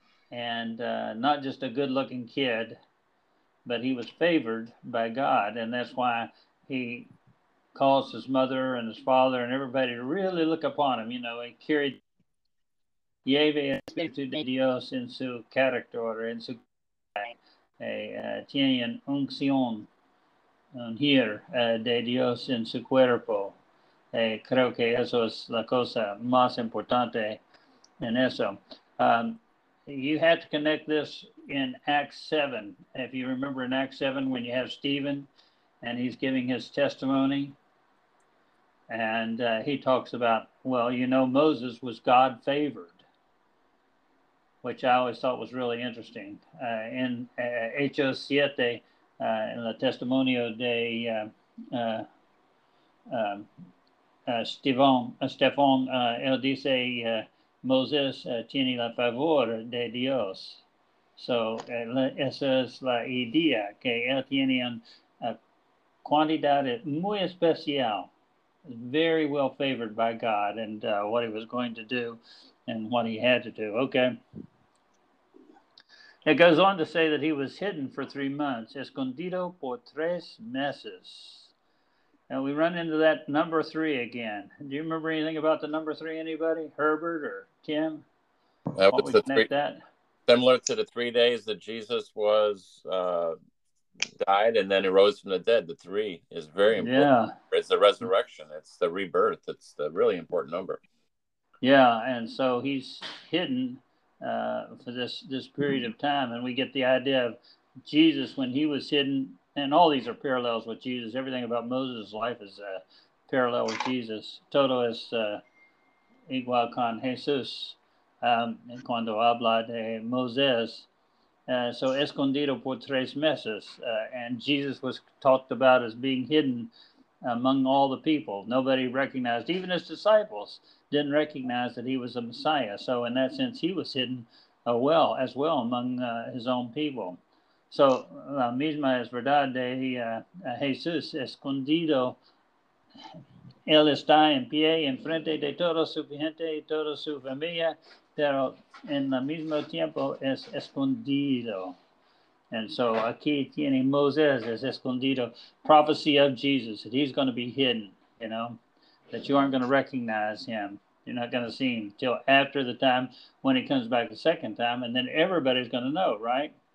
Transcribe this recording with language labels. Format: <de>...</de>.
<en>And not just a good-looking kid, but he was favored by God. And that's why he caused his mother and his father and everybody to really look upon him. You know, he carried</en> <es>Yahvé Espíritu de Dios en su carácter, en su tienen unción.</es> <en>Here,</en> <es>de Dios en su cuerpo. Creo que eso es la cosa más importante en eso.</es> <en>You have to connect this in Acts 7. If you remember in Acts 7, when you have Stephen and he's giving his testimony, and he talks about, well, you know, Moses was God favored, which I always thought was really interesting.</en> <es>In Hechos 7, in the testimonio de Stefan, él dice, Moses tiene la favor de Dios.</es> <en>So</en> <es>esa es la idea, que él tiene una cantidad muy especial,</es> <en>very well favored by God, and what he was going to do and what he had to do. Okay. It goes on to say that he was hidden for 3 months,</en> <es>escondido por tres meses.</es> <en>And we run into that number three again. Do you remember anything about the number three, anybody? Herbert or Tim? That was the three, that? Similar to the 3 days that Jesus was died and then he rose from the dead. The three is very important. Yeah. It's the resurrection. It's the rebirth. It's the really important number. Yeah, and so he's hidden for this period of time, and we get the idea of Jesus when he was hidden, and all these are parallels with Jesus. Everything about Moses' life is a parallel with Jesus.</en> <es>Todo es igual con Jesús cuando habla de Moses.</es> <en>So</en> <es>escondido por tres meses,</es> <en>and Jesus was talked about as being hidden among all the people. Nobody recognized, even his disciples didn't recognize that he was a Messiah. So in that sense, he was hidden as well among his own people.</en> <es>So la misma es verdad de Jesús escondido. Él está en pie en frente de toda su gente y toda su familia, pero en el mismo tiempo es escondido.</es> <en>And so</en> <es>aquí tiene Moses es escondido,</es> <en>prophecy of Jesus, that he's going to be hidden, you know, that you aren't going to recognize him. You're not going to see him till after the time when he comes back the second time, and then everybody's going to know, right?</en>